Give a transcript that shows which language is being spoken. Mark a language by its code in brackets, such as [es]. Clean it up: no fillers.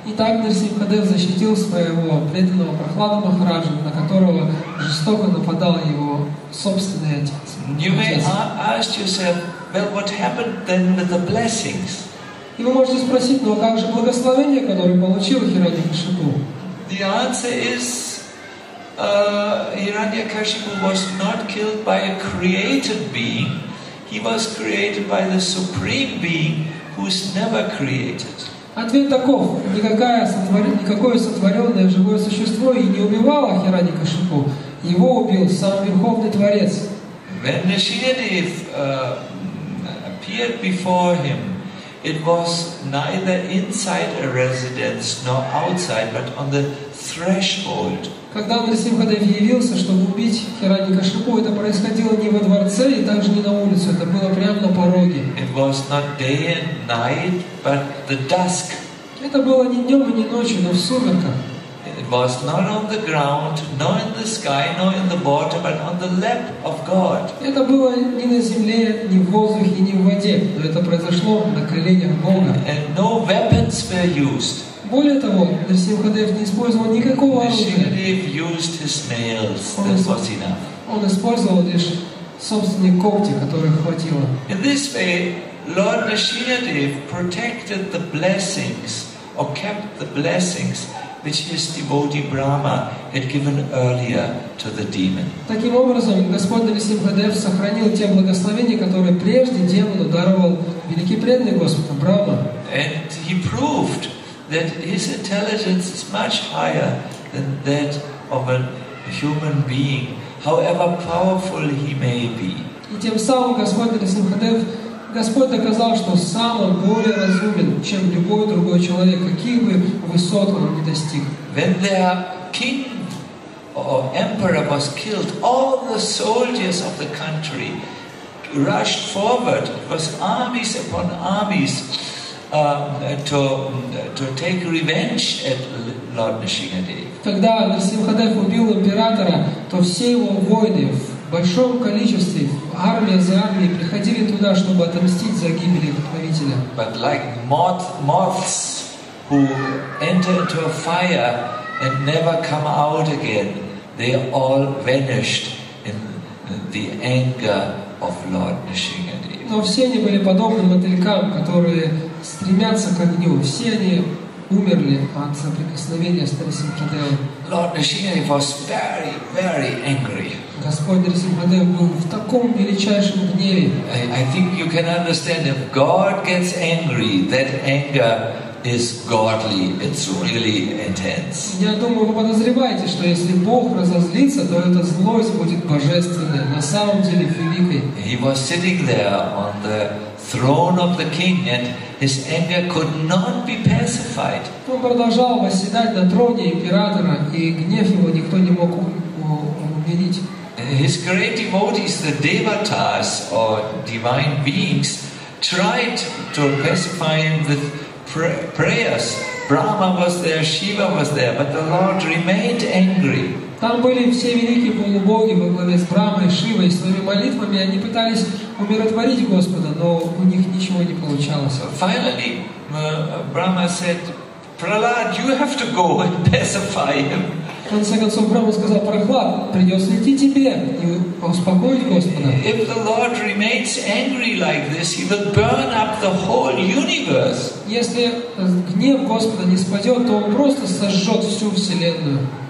[ru] И так Нарасимхадев защитил своего преданного Прахлада Махараджа, на которого жестоко нападал его собственный отец. [en] You may ask yourself, well, what happened then with the blessings? [ru] И вы можете спросить, ну а как же благословение, которое получил Хираньякашипу? [en] The answer is, Hiranyakashipu was not killed by a created being. He was created by the supreme being who is never created. [ru] Ответ таков: никакое сотворенное живое существо и не убивало Хираньякашипу. Его убил сам Верховный Творец. [en] When Nishinadev appeared before him, it was neither inside a residence nor outside, but on the threshold. [ru] Когда Нарасимхадев явился, чтобы убить Хираньякашипу, это происходило не во дворце и также не на улице, это было прямо на пороге. [en] It was not day and night, but the dusk. [ru] Это было не днем и не ночью, но в сумерках. [en] was not on the ground, nor in the sky, nor in the water, but on the lap of God. [ru] Это было не на земле, не в воздухе, не в воде, но это произошло на коленях Бога. [en] And no weapons were used. [ru] Более того, Нарасимхадев не использовал никакого оружия. [en] Нарасимхадев used his nails. That was enough. [ru] Он использовал лишь собственные когти, которых хватило. [en] In this way, Lord Nrsimhadev protected the blessings or kept the blessings which his devotee Brahma had given earlier to the demon. [ru] Таким образом, Господь Нрсимхадев сохранил те благословения, которые прежде демону даровал великий преданный Господа Брахма. [en] And he proved that his intelligence is much higher than that of a human being, however powerful he may be. [ru] И тем самым Господь Нрсимхадев Господь доказал, что сам он более разумен, чем любой другой человек, каких бы высот он ни достиг. [en] When the king or emperor was killed, all the soldiers of the country rushed forward. It was armies upon armies to take revenge at Lord Nrsimhadev. [ru] Когда Нрсимхадев убил императора, то все его воины в большом количестве, армия за армией, приходили туда, чтобы отомстить за гибель их правителя. [en] But like moths, who enter into a fire and never come out again, they all vanished in the anger of Lord Nrsimhadev. [ru] Но все они были подобны мотылькам, которые стремятся к огню. Все они умерли от соприкосновения с Нрсимхадевом. [en] Lord Nrsimhadev was very, very angry. [ru] Господь Нрсимхадев был в таком величайшем гневе. [en] I think you can understand, if God gets angry, that anger is godly. It's really intense. [ru] Я думаю, вы подозреваете, что если Бог разозлится, то эта злость будет божественной, на самом деле великой. [en] He was sitting there on the throne of the king, and his anger could not be pacified. [ru] Он продолжал восседать на троне императора, и гнев его никто не мог умерить. [en] His great devotees, the devatas or divine beings, tried to pacify him with prayers. Brahma was there, Shiva was there, but the Lord remained angry. [ru] Там были все великие полубоги во главе с Брахмой, Шивой, своими молитвами они пытались умиротворить Господа, но у них ничего не получалось. [en] Finally, Brahma said, "Prahlad, you have to go and pacify him." [ru] В конце концов, Брахма сказал: «Прохлад, придется идти тебе и успокоить Господа». [en] If the Lord remains angry like this, he will burn up the whole universe. [ru] Если гнев Господа не спадет, то он просто сожжет всю вселенную.